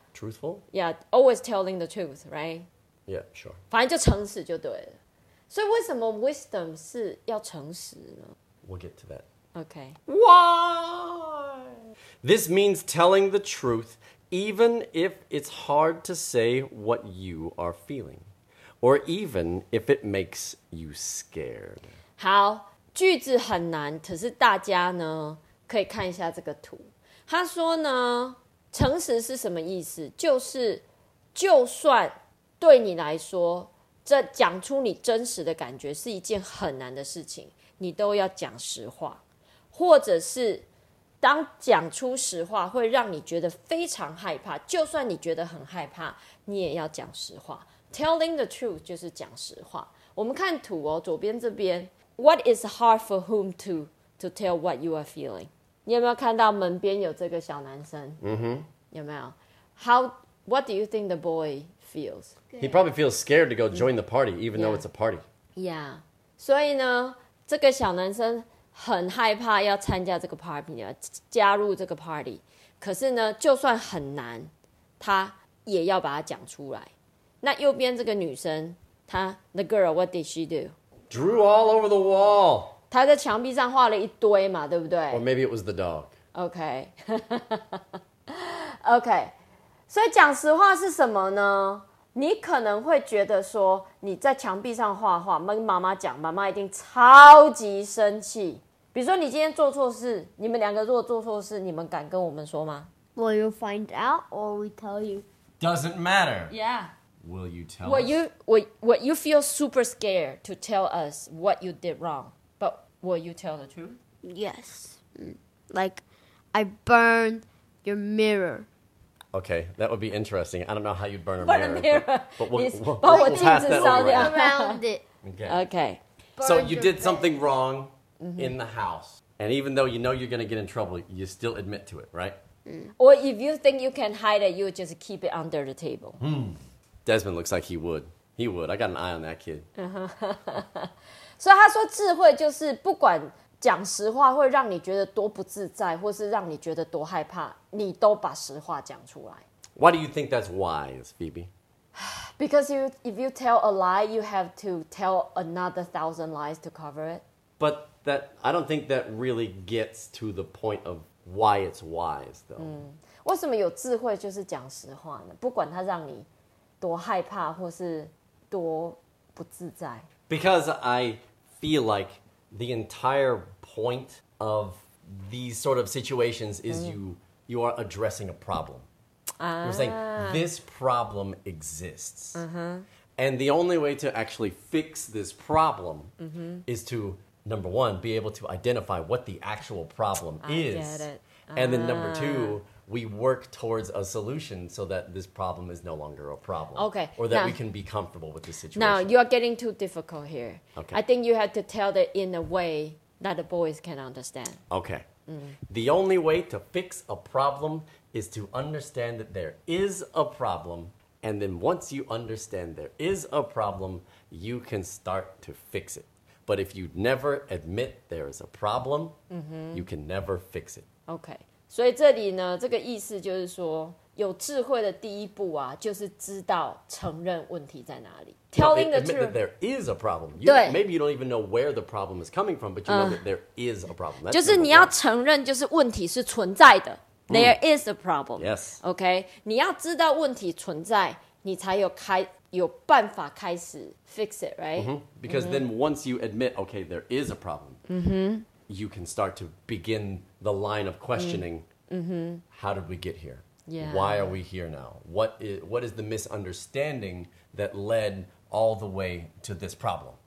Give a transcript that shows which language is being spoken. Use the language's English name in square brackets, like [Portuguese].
[English] truthful. Yeah, always telling the truth, right? Yeah, sure. [Chinese] 反正就诚实就对了。所以为什么 wisdom 是要诚实呢？ [English] We'll get to that. Okay. Why? This means telling the truth, even if it's hard to say what you are feeling, or even if it makes you scared. [Chinese] 好，句子很难，可是大家呢，可以看一下这个图。他说呢，诚实是什么意思？就算对你来说，这讲出你真实的感觉是一件很难的事情，你都要讲实话，或者是当讲出实话会让你觉得非常害怕就算你觉得很害怕你也要讲实话 [English] Telling the truth [Chinese] 就是讲实话我们看图哦左边这边 [English] What is hard for whom to tell what you are feeling [Chinese] 你有没有看到门边有这个小男生、 mm-hmm. 有没有 [English] What do you think the boy feels He probably feels scared to go join the party even though it's a party Yeah [Chinese] 所以呢这个小男生很害怕要参加这个 party 加入这个 party 可是呢就算很难他也要把它讲出来那右边这个女生她 [English] The girl, what did she do? Drew all over the wall [Chinese] 她在墙壁上画了一堆嘛对不对 [English] Or maybe it was the dog Okay Okay [Chinese] 所以讲实话是什么呢你可能会觉得说你在墙壁上画画跟妈妈讲妈妈一定超级生气比如说你今天做错事你们两个如果做错事你们敢跟我们说吗 [English] Will you find out or we tell you? Doesn't matter Yeah Will you tell will us? You, will you feel super scared to tell us what you did wrong But will you tell the truth? Yes Like I burned your mirror Okay, that would be interesting. I don't know how you'd burn a mirror. But we'll pass that around. Around it. Okay. So you did something wrong in the house. And even though you know you're going to get in trouble, you still admit to it, right? Mm. Or if you think you can hide it, you would just keep it under the table. Hmm. Desmond looks like he would. He would. I got an eye on that kid. So [Chinese] 他说智慧就是不管讲实话会让你觉得多不自在或是让你觉得多害怕你都把实话讲出来。 [English] Why do you think that's wise, Phoebe? Because you, if you tell a lie, you have to tell another 1,000 lies to cover it. But that, I don't think that really gets to the point of why it's wise, though. [Chinese] 为什么有智慧就是讲实话呢？不管它让你多害怕或是多不自在。 [English] Because I feel like the entire point of these sort of situations is you are addressing a problem. You're saying, this problem exists. And the only way to actually fix this problem is to, number one, be able to identify what the actual problem is. I get it. And then number two, we work towards a solution so that this problem is no longer a problem. Okay. Or that now, we can be comfortable with the situation. Now, you are getting too difficult here. Okay. I think you have to tell it in a way that the boys can understand. Okay. Mm. The only way to fix a problem is to understand that there is a problem. And then once you understand there is a problem, you can start to fix it. But if you never admit there is a problem, you can never fix it. Okay. [Chinese] 所以这里呢，这个意思就是说，有智慧的第一步啊，就是知道承认问题在哪里。 [English] Telling the truth. Admit that there is a problem. Maybe you don't even know where the problem is coming from, but you know that there is a problem. [Chinese] 就是你要承认，就是问题是存在的。 [English] There is a problem. Yes. Okay. [Chinese] 你要知道问题存在，你才有开有办法开始 [English] fix it, right? Mm-hmm. Because then once you admit, okay, there is a problem. You can start to begin the line of questioning, how did we get here? Yeah. Why are we here now? What is the misunderstanding that led all the way to this problem?